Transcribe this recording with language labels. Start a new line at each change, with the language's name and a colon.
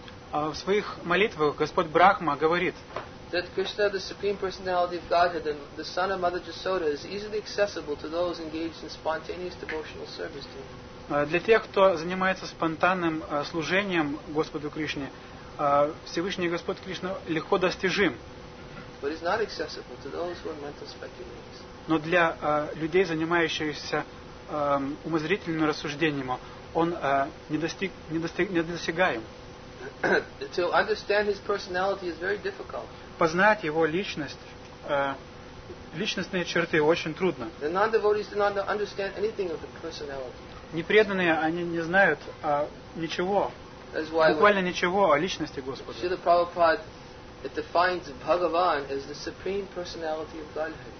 Russian: В своих молитвах Господь Брахма говорит,
English: that Krishna, the supreme personality of Godhead and the son of Mother Jasoda, is easily accessible to those engaged in spontaneous devotional service to him.
Russian: Для тех, кто занимается спонтанным служением Господу Кришне, Всевышний Господь Кришна легко достижим.
English: But it's not accessible to those who are mental speculators.
Russian: Но для людей, занимающихся умозрительным рассуждением, он недостигаем.
English: To understand his personality is very difficult.
Russian: Познать его личностные черты очень трудно.
English: The non-devotees do not understand anything of the personality.
Russian: Непреданные, они не знают ничего, буквально ничего о личности Господа.
English: Srila Prabhupada defines Bhagavan as the supreme personality of Godhead.